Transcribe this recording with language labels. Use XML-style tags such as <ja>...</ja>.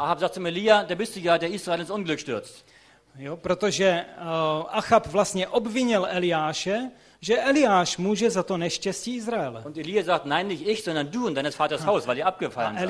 <de>Ahab sagte zu Elia, da bist du ja, der Israel ins Unglück stürzt.</de> <cs>Jo, protože Achab vlastně obvinil Eliáše, že Eliáš může za to neštěstí Izraele.</cs> <de>Und Elia sagt, nein, nicht ich, sondern du und deines Vaters Haus, weil ihr abgefallen seid.</de>